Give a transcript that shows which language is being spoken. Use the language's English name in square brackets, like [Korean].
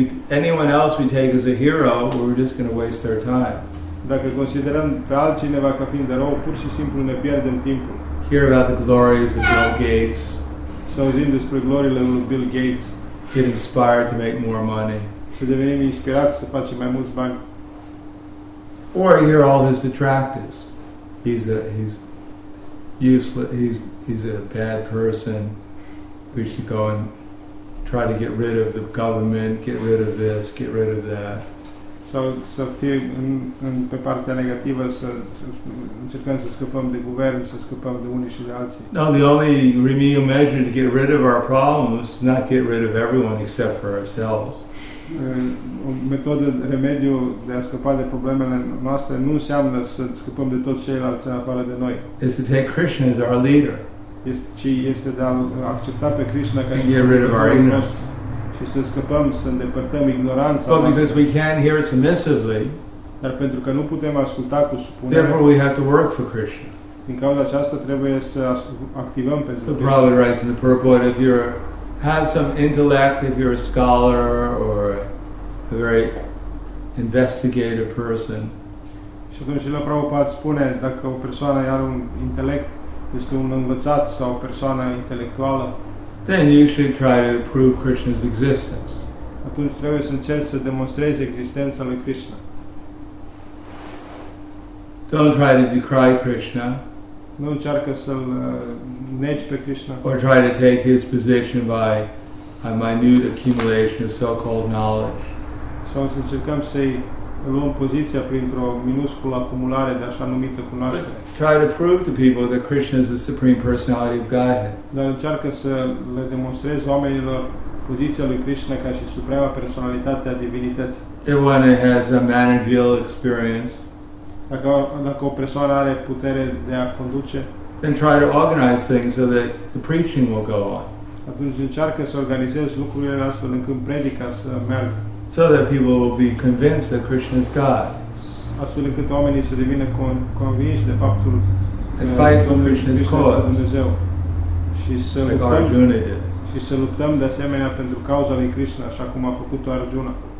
[English] Anyone else we take as a hero, we're just going to waste their time. [Romanian] Dacă considerăm pe altcineva ca fiind erou, pur și simplu ne pierdem timpul. [English] Hear about the glories of Bill Gates. [Romanian] Să auzim despre gloriile lui Bill Gates. [English] Get inspired to make more money. [Romanian] Să devenim inspirați să facem mai mulți bani. [English] Or hear all his detractors. He's useless. He's a bad person. We should go and try to get rid of the government, get rid of this, get rid of that. So, [Romanian] să fie în pe partea negativă, să încercăm să scăpăm de guvern, să scăpăm de unii și de alții. [English] No, the only remedial measure to get rid of our problems is not get rid of everyone except for ourselves. [Romanian] O metodă, remediu de a scăpa de problemele noastre nu înseamnă să scăpăm de toți ceilalți în afară de noi. [English] Is to take Krishna as our leader. [Romanian] Este de a accepta pe Krishna ca și să scăpăm, să îndepărtăm ignoranța. [English] But because we can't hear it submissively, [Romanian] dar pentru că nu putem asculta cu supunere, [English] therefore we have to work for Krishna. [Romanian] Din cauza aceasta trebuie să activăm pentru Krishna. [English] The Prabhupada writes in the purport, if you have some intellect, if you're a scholar or a very investigative person. [Romanian] Și atunci la Prabhupada spune, dacă o persoană are un intelect, este un învățat sau o persoană intelectuală, [English] then you should try to prove Krishna's existence. [Romanian] Atunci trebuie să încerci să demonstrezi existența lui Krishna. [English] Don't try to decry Krishna. [Romanian] Nu încearcă să-l negi pe Krishna. [English] Or try to take his position by a minute accumulation of so-called knowledge. [Romanian] Sau să încercăm să-i luăm poziția printr-o minusculă acumulare de așa numită cunoaștere. [English] But try to prove to people that Krishna is the Supreme Personality of Godhead. [Romanian] Dar încearcă să le demonstrezi oamenilor poziția lui Krishna ca și Suprema Personalitate a Divinității. [English] Everyone has a managerial experience. [Romanian] Dacă o persoană are putere de a conduce, [English] then try to organize things so that the preaching will go on. [Romanian] Atunci încearcă să organizezi lucrurile astfel încât predica să meargă. [English] So that people will be convinced that Krishna is God. [Romanian] Astfel încât oamenii să devină convinși de faptul [English] and fight for Krishna's cause. [Romanian] Și să [English] like Arjuna did. [Romanian] Și să luptăm de asemenea pentru cauza lui Krishna, așa cum a făcut-o Arjuna.